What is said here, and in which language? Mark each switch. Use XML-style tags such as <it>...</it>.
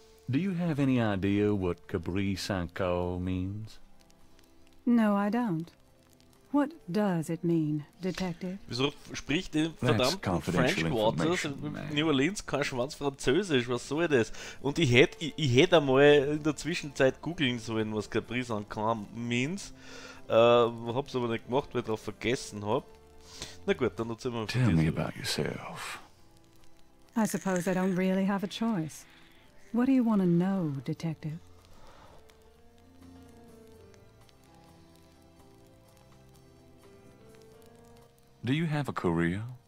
<en>Do you have any idea what Cabri Sanko means? No, I don't. What does it mean, Detective?</en> <de>Wieso spricht im verdammten French Quarter in New Orleans kein Schwanz Französisch? Was soll das? Und ich hätte einmal in der Zwischenzeit googeln sollen, was Gabriel Sancar means. Hab's aber nicht gemacht, weil ich drauf vergessen hab. Na gut, dann erzähl mal.</de> <en>Tell me about yourself. I suppose I don't really have a choice. What do you want to know, Detective? Do you have a career?</en>